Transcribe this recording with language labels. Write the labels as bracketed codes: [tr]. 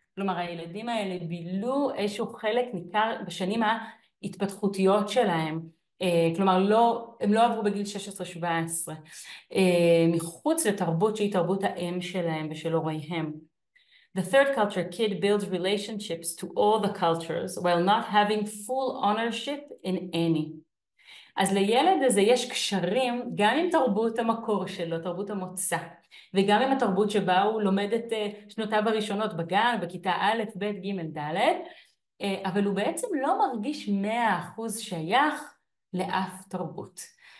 [he] כלומר, הילדים האלה בילו איזשהו חלק ניכר בשנים ההתפתחותיות שלהם. כלומר, הם לא עברו בגיל 16-17, מחוץ לתרבות שהיא תרבות האם שלהם ושל הוריהם. [en] The third culture kid builds relationships to all the cultures while not having full ownership in any. [he] אז לילד הזה יש קשרים גם עם תרבות המקור שלו, תרבות המוצא, וגם עם התרבות שבה הוא לומד את שנותיו הראשונות בגן, בכיתה א', ב', ג', ד', אבל הוא בעצם לא מרגיש 100% שייך לאף תרבות.